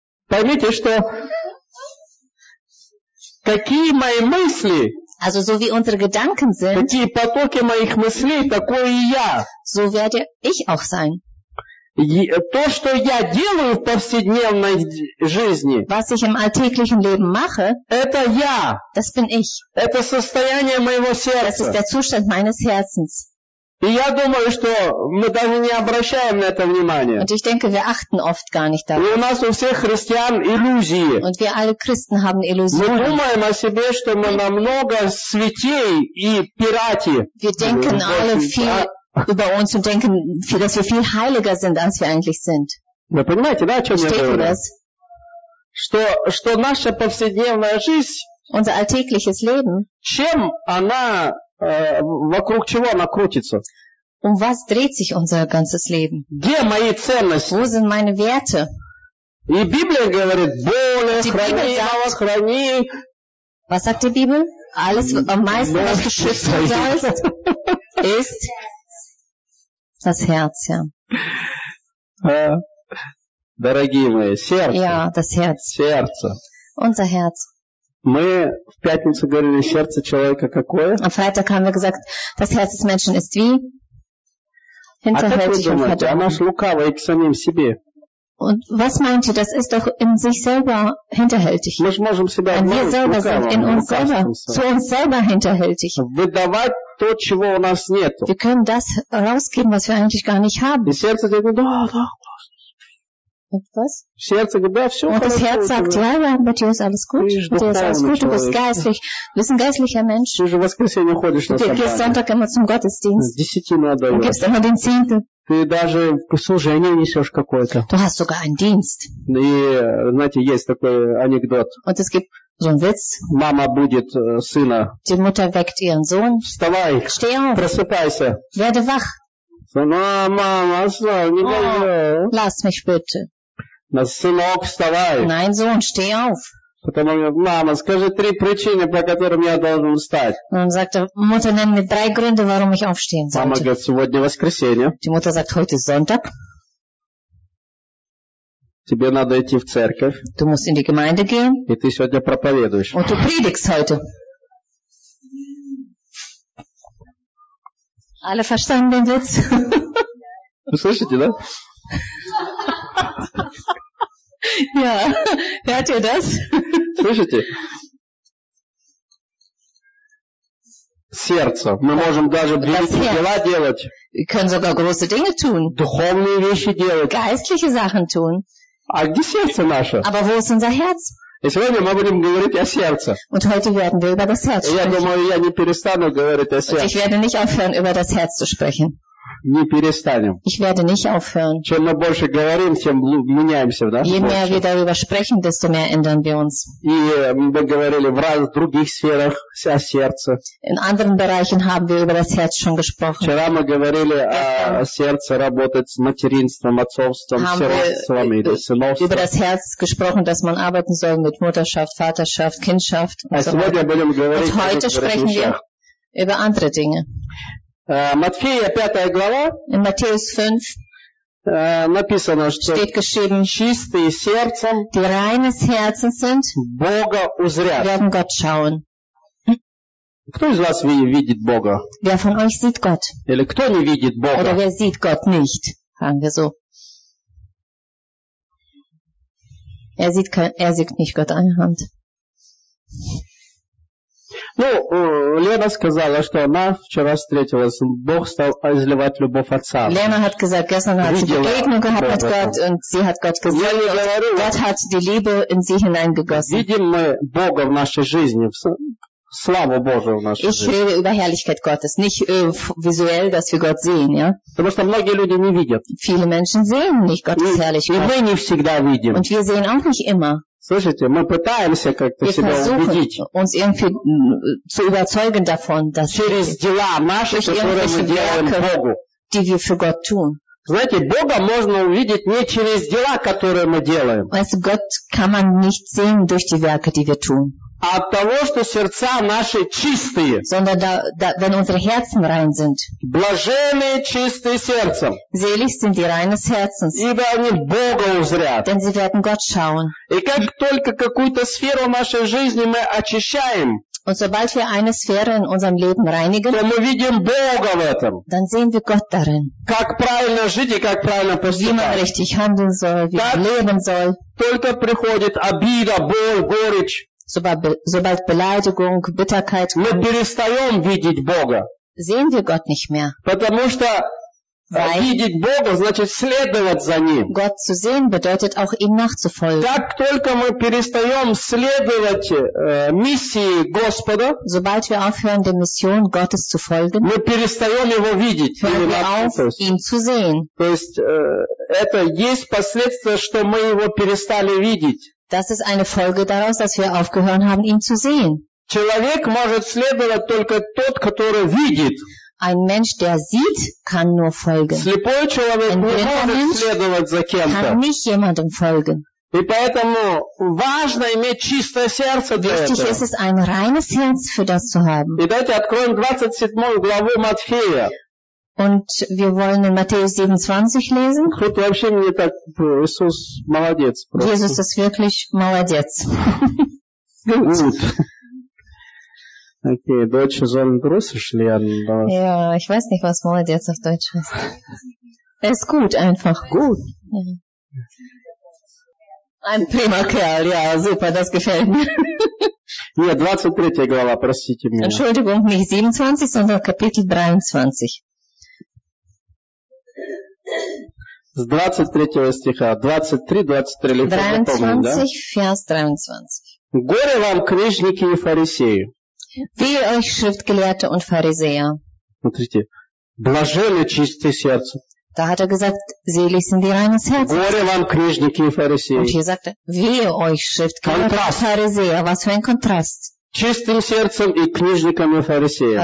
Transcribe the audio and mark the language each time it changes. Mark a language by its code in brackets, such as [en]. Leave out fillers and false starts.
[ru] Поймите, что какие мои мысли? [de] Also so wie unsere Gedanken sind. [ru] Какие потоки моих мыслей, такой и я. [de] So werde ich auch sein. [ru] То, что я делаю в повседневной жизни. [de] Was ich im alltäglichen Leben mache. [ru] Это я. [de] Das bin ich. [ru] Это состояние моего сердца. [de] Das ist der Zustand meines Herzens. [ru] И я думаю, что мы даже не обращаем на это внимания. [de] Und ich denke, wir achten oft gar nicht darauf. [ru] И у нас у всех христиан иллюзии. [de] Und wir alle Christen haben Illusionen. [ru] Мы думаем о себе, что мы намного святей и пирати. [de] Wir denken alle viel über uns und denken, dass wir viel heiliger sind, als wir eigentlich sind. [ru] Вы понимаете, да, о чем я говорю? Что наша повседневная жизнь, [de] unser alltägliches Leben, [ru] чем она вокруг чего она крутится? [de] Was dreht sich unser ganzes Leben? [ru] Где мои ценности? [de] Wo sind meine Werte? [ru] И Библия говорит, более хранимого храни. [de] Was sagt die Bibel? Alles, am meisten, was du schützen sollst, ist das Herz, ja. [ru] Дорогие мои, сердце. [de] Ja, das Herz. [ru] Сердце. [de] Unser Herz. [ru] Мы в пятницу говорили, сердце человека какое? [de] Am Freitag haben wir gesagt, das Herz des Menschen ist wie? Hinterhältig und verdorben. [ru] А наш лукавый к самим себе. [de] Und was meint ihr, das ist doch in sich selber hinterhältig. [ru] Мы же можем себя [de] wir selber sind in uns selber, zu uns selber hinterhältig. [ru] Выдавать то, чего у нас нет. [de] Wir können das rausgeben, was wir eigentlich gar nicht haben. [ru] И сердце говорит, да, да. [de] Etwas? Und das Herz sagt, ja, ja, bei dir ist alles gut. Bei dir ist alles gut, du bist geistig. Du bist ein geistlicher Mensch. Du gehst Sonntag immer zum Gottesdienst. Und gibst immer den Zehnten. [ru] Ты даже в служении несешь какое-то. [de] Du hast sogar einen Dienst. [ru] И, знаете, есть такой анекдот. [de] Und es gibt so einen Witz. [ru] Мама будет сына. [de] Die Mutter weckt ihren Sohn. [ru] Вставай. [de] Steh auf. [ru] Просыпайся. [de] Werde wach. [ru] Мама, мама, не дай. [de] Lass mich bitte. [ru] На сынок, вставай. [de] Nein, Sohn, steh auf. [ru] Потом он говорит, мама, скажи три причины, по которым я должен встать. [de] Он sagte, Mutter, nenn mir drei Gründe, warum ich aufstehen sollte. [ru] Мама говорит, сегодня воскресенье. [de] Die Mutter sagt, heute ist Sonntag. [ru] Тебе надо идти в церковь. [de] Du musst in die Gemeinde gehen. [ru] И ты сегодня проповедуешь. [de] Und du predigst heute. Alle verstanden den Witz? [ru] Вы слышите, да? [de] Ja, hört ihr das? [ru] Слышите? Сердце. Мы можем даже великие дела делать. [de] Wir können sogar große Dinge tun. [ru] Духовные вещи делать. [de] Geistliche Sachen tun. [ru] А где сердце наше? [de] Aber wo ist unser Herz? [ru] И сегодня мы будем говорить о сердце. [de] Und heute werden wir über das Herz sprechen. [ru] Я думаю, я не перестану говорить о сердце. [de] Ich werde nicht aufhören, über das Herz zu sprechen. [ru] Не перестанем. [de] Ich werde nicht aufhören. [ru] Чем мы больше говорим, тем меняемся, да? [de] Je mehr wir darüber sprechen, desto mehr ändern wir uns. [ru] И мы говорили в разных других сферах о сердце. [de] In anderen Bereichen haben wir über das Herz schon gesprochen. [ru] Вчера мы говорили о сердце работать с материнством, отцовством, сиротством или сыновством. [de] Über das Herz gesprochen, dass man arbeiten soll mit Mutterschaft, Vaterschaft, Kindschaft. [ru] А сегодня будем говорить. [de] Und heute sprechen wir über andere Dinge. [ru] Матфея, 5 глава. [de] In Matthäus 5. [ru] Написано, что [de] steht geschrieben, [ru] чистые сердцем, [de] die reines Herzen sind, [ru] Бога узрят. [de] Werden Gott schauen. [ru] Кто из вас видит Бога? [de] Wer von euch sieht Gott? [ru] Или кто не видит Бога? [de] Oder wer sieht Gott nicht? Fragen wir so. Er sieht nicht Gott an der Hand. [ru] Ну, Лена сказала, что она вчера встретилась, Бог стал изливать любовь отца. [de] Лена hat gesagt, gestern hat sie Begegnung gehabt mit Gott und sie hat Gott gesehen. Gott hat die Liebe in sie hineingegossen. [ru] Видим мы Бога в нашей жизни, славу Божию в нашей жизни. [de] Ich rede über Herrlichkeit Gottes, nicht visuell, dass wir Gott sehen, ja? [ru] Потому что многие люди не видят. [de] Viele Menschen sehen nicht Gottes Herrlichkeit. [ru] И мы не всегда видим. [de] Und wir sehen auch nicht immer. [ru] Слышите, мы пытаемся как-то [de] wir [ru] себя убедить. [de] Uns irgendwie zu überzeugen davon, dass [ru] через дела наши, которые мы делаем Богу. [de] Die wir für Gott tun. [ru] Знаете, Бога можно увидеть не через дела, которые мы делаем. [de] Weißt du, Gott kann man nicht sehen durch die Werke, die wir tun. [ru] А от того, что сердца наши чистые. [de] Sondern wenn unsere Herzen rein sind. [ru] Блаженные чистые сердцем. [de] Selig sind die reines Herzens. [ru] Ибо они Бога узрят. [de] Denn sie werden Gott schauen. [ru] И как только какую-то сферу нашей жизни мы очищаем. [de] Und sobald wir eine Sphäre in unserem Leben reinigen. [ru] То мы видим Бога в этом. [de] Dann sehen wir Gott darin. [ru] Как правильно жить и как правильно поступать. [de] Wie man richtig handeln soll, wie man leben soll. [ru] Только приходит обида, боль, горечь. [de] Sobald Beleidigung, Bitterkeit kommt, sehen wir Gott nicht mehr. [ru] Что, Бога, значит, [de] Gott zu sehen bedeutet auch, ihm nachzufolgen. [ru] Как только мы перестаем следовать миссии Господа, [de] sobald wir aufhören, der Mission Gottes zu folgen, [ru] мы перестаем его видеть, [de] hören wir auf, ihn zu sehen. [ru] То есть, это есть последствия, что мы его перестали видеть. [de] Das ist eine Folge daraus, dass wir aufgehört haben, ihn zu sehen. [ru] Человек может следовать только тот, который видит. [de] Ein Mensch, der sieht, kann nur folgen. [ru] Слепой человек не может следовать за кем-то. [de] Kann nicht jemandem folgen. [ru] И поэтому важно иметь чистое сердце для этого. [de] Wichtig ist es, ein reines Herz für das zu haben. [ru] И давайте откроем 27 главу Матфея. [de] Und wir wollen in Matthäus 27 lesen. [ru] Кто-то вообще не так, Иисус молодец. [de] Jesus ist wirklich молодец. Gut. Okay, Deutsche sollen Russisch lernen. Ja, ich weiß nicht, was молодец auf Deutsch heißt. Er ist gut einfach. Gut. Ja. Ein prima Kerl, ja, super, das gefällt mir. [ru] Нет, 23 глава, простите меня. [de] Entschuldigung, nicht 27, sondern Kapitel 23. [ru] С 23 стиха. 23 лифта, запомнил, да? [de] 23, Vers 23. [ru] Горе вам, книжники и фарисеи. [de] Wehe euch, Schriftgelehrte und Pharisäer. [ru] Смотрите. Блажены чистые сердца. [de] Da hat er gesagt, selig sind die reines Herz. [ru] Горе вам, книжники и фарисеи. [de] Und hier sagt er, wehe euch, Schriftgelehrte und Pharisäer. Was für ein Kontrast. [ru] Чистым сердцем и книжникам и фарисеям.